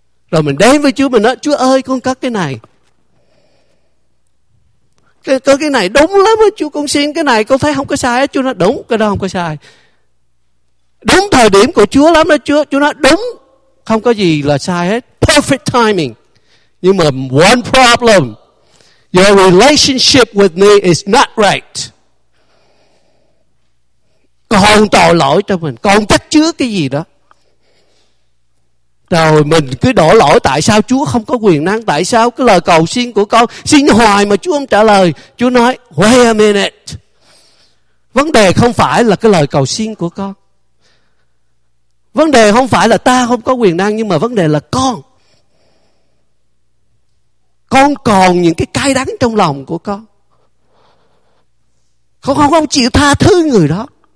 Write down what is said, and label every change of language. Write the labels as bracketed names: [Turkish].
[Vietnamese] Rồi mình đến với Chúa, mình nói Chúa ơi, con có cái này, có cái này đúng lắm á Chúa, con xin cái này, con thấy không có sai á Chúa. Nói đúng, cái đó không có sai, đúng thời điểm của Chúa lắm đó Chúa. Chúa nói đúng, không có gì là sai hết, [English] perfect timing. [Vietnamese] Nhưng mà [English] one problem, your relationship with me is not right. [Vietnamese] Còn tội lỗi trong mình, còn chắc chứa cái gì đó. Rồi mình cứ đổ lỗi, tại sao Chúa không có quyền năng, tại sao cái lời cầu xin của con xin hoài mà Chúa không trả lời. Chúa nói [English] wait a minute, [Vietnamese] vấn đề không phải là cái lời cầu xin của con, vấn đề không phải là ta không có quyền năng, nhưng mà vấn đề là con còn những cái cay đắng trong lòng của con, không chịu tha thứ người đó.